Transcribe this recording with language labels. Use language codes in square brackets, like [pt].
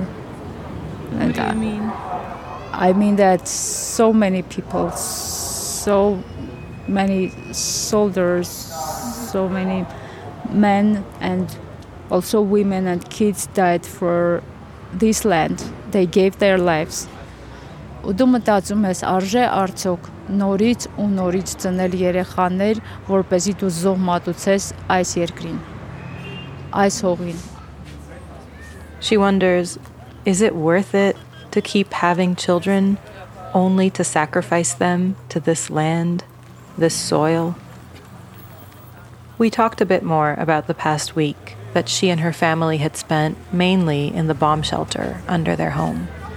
[en] What do you mean? I mean that so many people, so many soldiers, so many men and also women and kids died for this land. They gave their lives. [hy] Ու մտածում ես, արժե արդյոք նորից ու նորից ծնել երեխաներ, որպեսզի դու զոհ մատուցես այս երկրին, այս հողին. [en] She wonders, is it worth it to keep having children only to sacrifice them to this land, this soil? We talked a bit more about the past week that she and her family had spent mainly in the bomb shelter under their home.